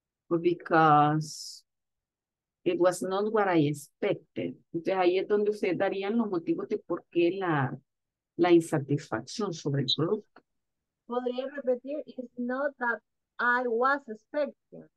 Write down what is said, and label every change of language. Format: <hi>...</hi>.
<en>Or because it was not what I expected.</en> <es>Entonces ahí es donde ustedes darían los motivos de por qué la insatisfacción sobre el producto. Podría repetir,</es> <en>it's not that I was expecting.</en>